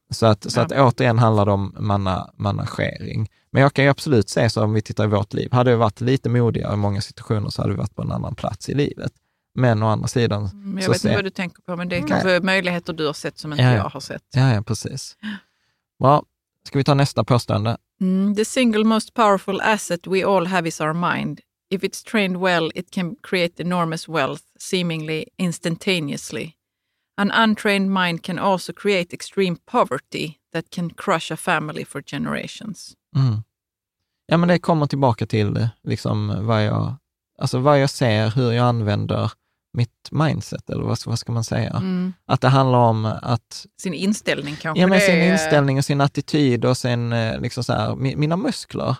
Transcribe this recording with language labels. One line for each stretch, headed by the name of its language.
Swedish: Så att återigen handlar det om managering. Men jag kan ju absolut säga så, om vi tittar i vårt liv, hade vi varit lite modigare i många situationer så hade vi varit på en annan plats i livet. Men å andra sidan... Men jag vet inte vad du tänker på, men det är kanske möjligheter du har sett som inte jag har sett. Ja, precis. Bra. Ska vi ta nästa påstående?
English: The single most powerful asset we all have is our mind. If it's trained well, it can create enormous wealth, seemingly instantaneously. An untrained mind can also create extreme poverty that can crush a family for generations. Mm.
Swedish: Ja, men det kommer tillbaka till liksom vad jag ser, hur jag använder mitt mindset, eller vad ska man säga? Mm. Att det handlar om att... Sin inställning kanske. Ja, men sin inställning och sin attityd och sin, liksom så här, mina muskler.